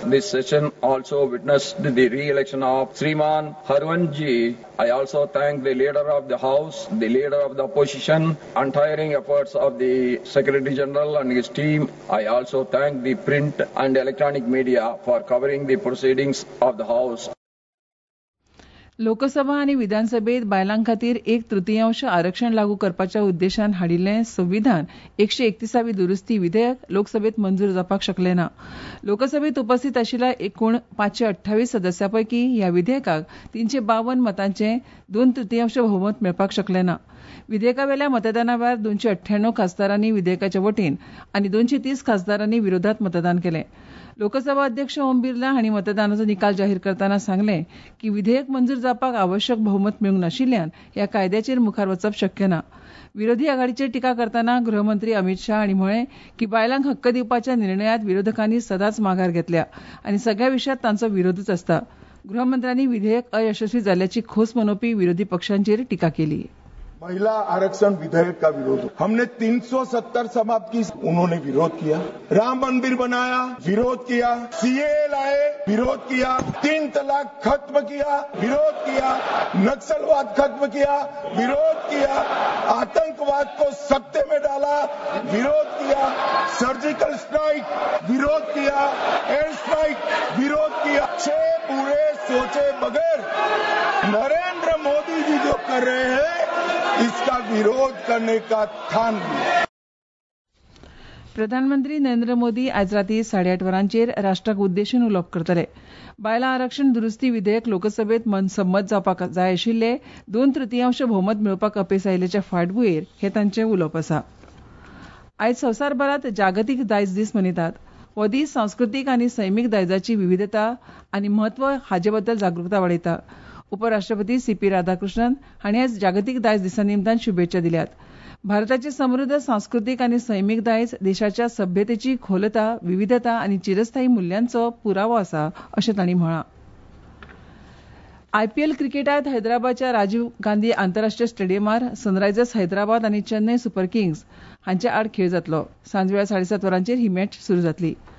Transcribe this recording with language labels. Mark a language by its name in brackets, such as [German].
[English] This session also witnessed the re-election of Sriman Harwanji. I also thank the leader of the House, the leader of the opposition, untiring efforts of the Secretary General and his team. I also thank the print and electronic media for covering the proceedings of the House. [Konkani] Lok Sabha आणि विधानसभेत बायलांखातीर एक तृतीयांश आरक्षण लागू करपाच्या उद्देशान हाडिल्ले संविधान 131 दुरुस्ती विधेयक लोकसभेत मंजूर जावपाक शकले ना. लोकसभेत उपस्थित आशिल्ल्या एकूण 528 सदस्यापैकी ह्या विधेयकाक 352 मतांचे 2/3 बहुमत मेळपाक शकले ना. विधेयकावेल्या मतदानावेळार 298 खासदारांनी विधेयकाच्या वटेन आनी 230 खासदारांनी विरोधात मतदान केले. लोकसभा अध्यक्ष ओम बिर्ला हांणी मतदानाचो निकाल जाहीर करताना सांगले की विधेयक मंजूर जावपाक आवश्यक बहुमत मेळूंक नाशिल्ल्यान ह्या कायद्याचेर मुखार वचप शक्य ना. विरोधी आघाडीचेर टिका करताना गृहमंत्री अमित शाह हांणी म्हळे की बायलांक हक्क दिवपाच्या निर्णयात विरोधकांनी सदांच माघार घेतल्या आनी सगळ्या विषयात तांचो विरोधच आसता. गृहमंत्र्यांनी विधेयक अयशस्वी झाल्याची खोस मनोवपी विरोधी पक्षांचेर टिका केली. [Hindi] महिला आरक्षण विधेयक का विरोध, हमने 370 समाप्त की, उन्होंने विरोध किया. राम मंदिर बनाया, विरोध किया. सीए लाए, विरोध किया. तीन तलाक खत्म किया, विरोध किया. नक्सलवाद खत्म किया, विरोध किया. आतंकवाद को सत्ते में डाला, विरोध किया. सर्जिकल स्ट्राइक, विरोध किया. एयर स्ट्राइक, विरोध किया. छह पूरे सोचे बगैर नरेंद्र मोदी जी जो कर रहे हैं इसका विरोध करने का ठान लिया. [Konkani] प्रधानमंत्री नरेंद्र मोदी आज राती 8:30 वरांचेर राष्ट्राक उद्देशून उलोप करतले. बायलां आरक्षण दुरुस्ती विधेयक लोकसभेत मनसंमत जावपाक जाय आशिल्ले, 2/3 बहुमत मेळपाक अपेस आयिल्ल्याच्या फाटभुंयेर हे तांचे उलोप आसा. आयज संवसारभरात जागतीक दायज दीस मनयतात. हो दीस सांस्कृतीक आनी सैमीक दायजाची विविधता आनी म्हत्व हाजे बद्दल जागृकता वाडयता. उपराष्ट्रपती सीपी राधाकृष्णन हांणी आज जागतीक दायज दिसा निमतान शुभेच्छा दिल्यात. भारताचे समृद्ध सांस्कृतीक आनी सैमीक दायज देशाच्या सभ्यतेची खोलता, विविधता आनी चिरस्थायी मूल्यांचो पुरावो आसा अशें तांणी म्हळां. आयपीएल क्रिकेटात हैदराबादच्या राजीव गांधी आंतरराष्ट्रीय स्टेडियमार सनरायझर्स हैदराबाद आनी चेन्नय सुपर किंग्ज हांच्या आड खेळ जातलो. सांजवेळा 7:30 ही मॅच सुरू जातली.